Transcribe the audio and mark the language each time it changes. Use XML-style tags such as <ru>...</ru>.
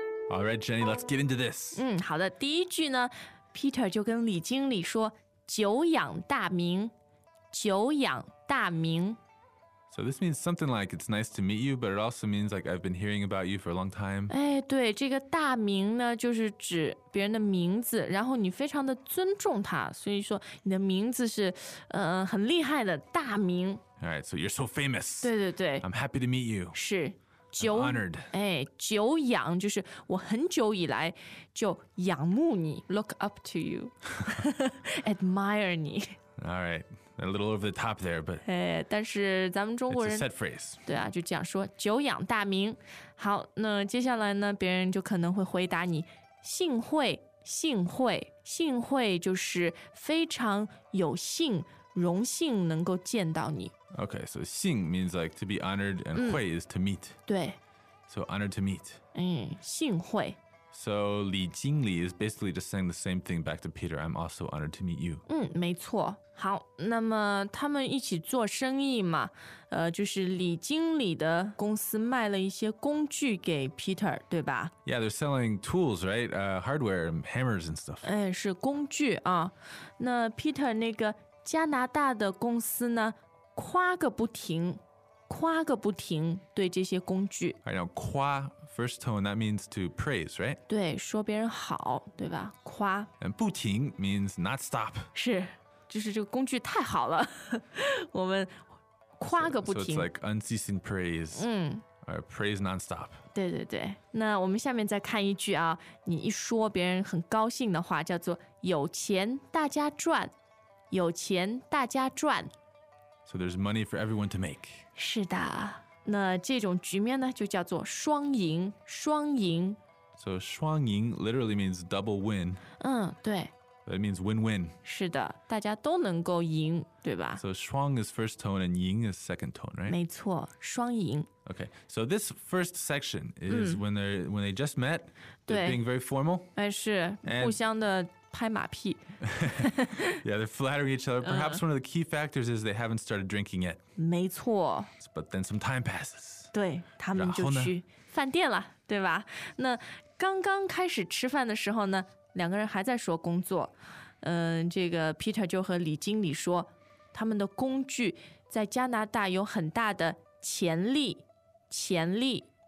<en>All right, Jenny, let's get into this.</en> <zh>好的，第一句呢，Peter 就跟李经理说，久仰大名，久仰大名。</zh> <en>So this means something like, it's nice to meet you, but it also means like, I've been hearing about you for a long time.</en> <zh>哎，对，这个大名呢，就是指别人的名字，然后你非常的尊重他，所以说你的名字是很厉害的大名。</zh> <en>All right, so you're so famous.</en> <zh>对对对。</zh> <en>I'm happy to meet you.</en> <zh>是。</zh> <en>I'm honored.</en> <zh>哎，久仰就是我很久以来就仰慕你 ，</zh> <en>look up to you, admire</en> <zh>你。</zh> <en>All right, a little over the top there, but</en> <zh>哎，但是咱们中国人</zh> <en>it's a set phrase.</en> <zh>对啊，就这样说，久仰大名。好，那接下来呢，别人就可能会回答你，幸会，幸会，幸会，就是非常有幸。荣幸能够见到你。</zh> <en>Okay, so 幸 means like to be honored and 会 is to meet.</en> <zh>对。</zh> <en>So honored to meet.</en> <zh>幸会。</zh> <en>So 李经理 is basically just saying the same thing back to Peter, I'm also honored to meet you.</en> <zh>没错。好，那么他们一起做生意嘛，就是李经理的公司卖了一些工具给 Peter, 对吧？</zh> <en>Yeah, they're selling tools, right? Hardware, hammers and stuff.</en> <zh>是工具啊。那 Peter 那个加拿大的公司呢，夸个不停，夸个不停，对这些工具。</zh> <en>I know, 夸 first tone, that means to praise, right?</en> <zh>对，说别人好，对吧？夸。</zh> <en>And 不停 means not stop.</en> <zh>是，就是这个工具太好了，我们夸个不停。</zh> <en>So, it's like unceasing praise.</en> <zh>嗯。</zh> <en>Praise non-stop.</en> <zh>对对对。那我们下面再看一句啊，你一说别人很高兴的话，叫做有钱大家赚。有钱大家赚。</zh> <en>So there's money for everyone to make.</en> <zh>是的。那这种局面呢就叫做双赢双赢</zh> <en>So 双赢 literally means double win.</en> <zh>嗯对</zh> <en>It means win-win.</en> <zh>是的大家都能够赢对吧</zh> <en>So 双 is first tone and 赢 is second tone, right?</en> <zh>没错双赢</zh> <en>Okay, so this first section is when they just met. They're being very formal.</en> <zh>是互相的拍马屁</zh> <en>Yeah, they're flattering each other. Perhaps one of the key factors is they haven't started drinking yet.</en> <zh>没错</zh> <en>But then some time passes.</en> <zh>对他们就去饭店了对吧那刚刚开始吃饭的时候呢两个人还在说工作这个 Peter 就和李经理说他们的工具在加拿大有很大的潜力潜力</zh>